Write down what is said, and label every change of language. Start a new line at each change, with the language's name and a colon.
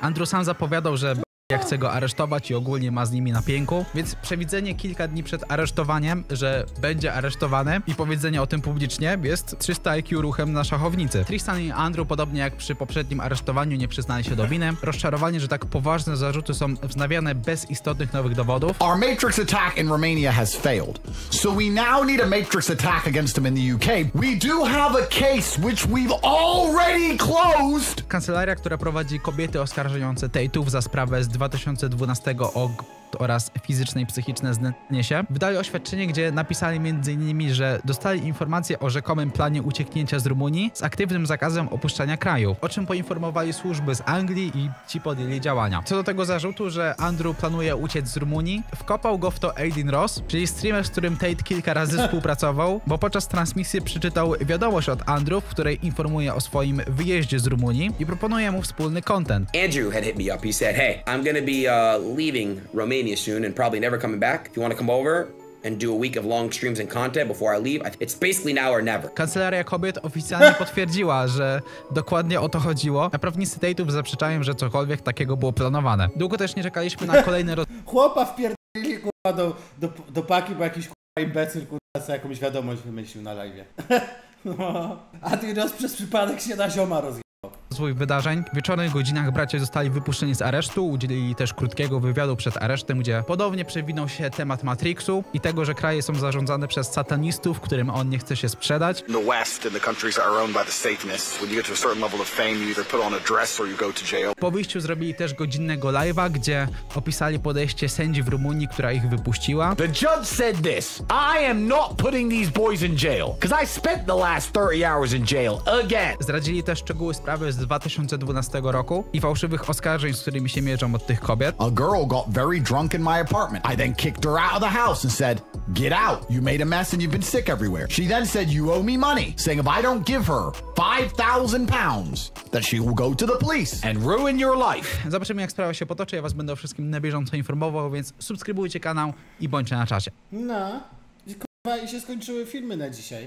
Polish: Andrew sam zapowiadał, że ja chcę go aresztować i ogólnie ma z nimi na pięku, więc przewidzenie kilka dni przed aresztowaniem, że będzie aresztowany i powiedzenie o tym publicznie jest 300 IQ ruchem na szachownicy. Tristan i Andrew, podobnie jak przy poprzednim aresztowaniu, nie przyznali się do winy. Rozczarowanie, że tak poważne zarzuty są wznawiane bez istotnych nowych dowodów.
English: Our Matrix attack in Romania has failed. So we now need a Matrix attack against him in the UK. We do have a case which we've already closed.
Polish: Kancelaria, która prowadzi kobiety oskarżające Tate'ów za sprawę z 2012 oraz fizyczne i psychiczne znęcanie się, wydali oświadczenie, gdzie napisali m.in., że dostali informacje o rzekomym planie ucieknięcia z Rumunii z aktywnym zakazem opuszczania kraju, o czym poinformowali służby z Anglii i ci podjęli działania. Co do tego zarzutu, że Andrew planuje uciec z Rumunii, wkopał go w to Aiden Ross, czyli streamer, z którym Tate kilka razy współpracował, bo podczas transmisji przeczytał wiadomość od Andrew, w której informuje o swoim wyjeździe z Rumunii i proponuje mu wspólny content.
English: Andrew had hit me up, he said, hey, I'm gonna be leaving Romania soon and probably never coming back. If you want to come over and do a week of long streams and content before I leave, it's basically now or never.
Polish: Kancelaria kobiet oficjalnie potwierdziła, że dokładnie o to chodziło, a prawnicy Tate'ów zaprzeczają, że cokolwiek takiego było planowane. Długo też nie czekaliśmy na kolejny roz... Chłopa wpierdolili, kurwa, do paki, bo jakiś kurwa imbecyl, kurwa, sobie jakąś wiadomość wymyślił na live. A ty raz przez przypadek się na zioma rozjechał. Rozwój wydarzeń. W wieczornych godzinach bracia zostali wypuszczeni z aresztu, udzielili też krótkiego wywiadu przed aresztem, gdzie podobnie przewinął się temat Matrixu i tego, że kraje są zarządzane przez satanistów, którym on nie chce się sprzedać.
English: In the West, in the countries that are owned by the Satanists, when you get to a certain level of fame, you either put on a dress or you go to jail.
Polish: Po wyjściu zrobili też godzinnego live'a, gdzie opisali podejście sędzi w Rumunii, która ich wypuściła.
English: The judge said this: I am not putting these boys in jail, because I spent the last 30 hours in jail again.
Polish: Zdradzili też szczegóły sprawy z 2012 roku i fałszywych oskarżeń, z którymi się mierzą od tych kobiet.
English: A girl got very drunk in my apartment. I then kicked her out of the house and said, get out, you made a mess and you've been sick everywhere. She then said, you owe me money, saying if I don't give her £5,000, that she will go to the police and ruin your life.
Polish: Zobaczymy, jak sprawa się potoczy. Ja was będę o wszystkim na bieżąco informował, więc subskrybujcie kanał i bądźcie na czasie. No, i kurwa, i się skończyły filmy na dzisiaj.